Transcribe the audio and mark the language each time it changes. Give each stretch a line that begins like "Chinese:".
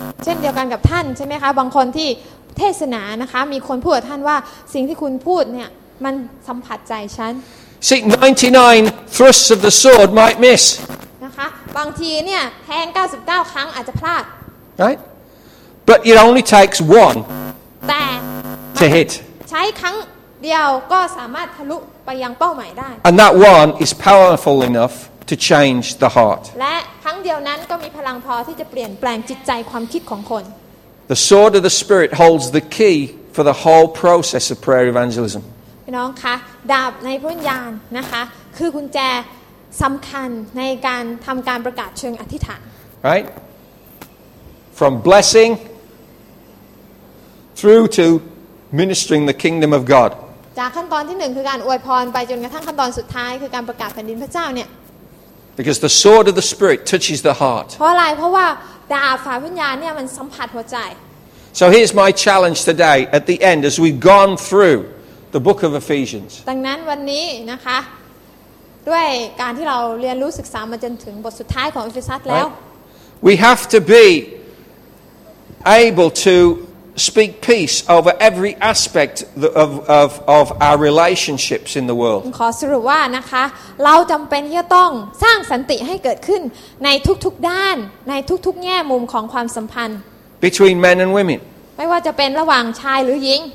Thai: เช่นเดียวกันกับท่านใช่ไหมคะบางคนที่เทศนานะคะมีคนพูดกับท่านว่าสิ่งที่คุณพูดเนี่ยมันสัมผัสใจฉัน
English: See 99 thrusts of the sword might miss.
Thai: นะคะบางทีเนี่ยแทง99ครั้งอาจจะพลาด
English: Right? But it only takes one.
Thai: แต่
English: to hit.
Thai: ใช้ครั้งเดียวก็สามารถทะลุไปยังเป้าหมายได้
English: And that one is powerful enough to change the heart.
Thai: และครั้งเดียวนั้นก็มีพลังพอที่จะเปลี่ยนแปลงจิตใจความคิดของคน
English: The sword of the spirit holds the key for the whole process of prayer evangelism.
Thai: พี่น้องคะดาบในพระวิญญาณนะคะคือกุญแจสำคัญในการทำการประกาศเชิงอธิษฐาน
English: Right? From blessing through toministering the kingdom of God
Thai: จากขั้นตอนที่1คือการอวยพรไปจนกระทั่งขั้นตอนสุดท้ายคือการประกาศแผ่นดินพระเจ้าเนี่ย
English: Because the sword of the spirit touches the heart
Thai: เพราะอะไรเพราะว่าดาบฝ่ายวิญญาณเนี่ยมันสัมผัสหัวใจ
English: So here's my challenge today at the end as we've gone through the book of Ephesians
Thai: ดังนั้นวันนี้นะคะด้วยการที่เราเรียนรู้ศึกษามาจนถึงบทสุดท้ายของเอเฟซัสแล้ว
English: We have to be able toSpeak peace over every aspect of our relationships in the world.
Thai: ขอสรุปว่านะคะเราจำเป็นที่จะต้องสร้างสันติให้เกิดขึ้นในทุกๆด้านในทุกๆแง่มุมของความสัมพันธ์
English: Between men and women.
Thai: ไม่ว่าจะเป็นระหว่างชายหรือหญิง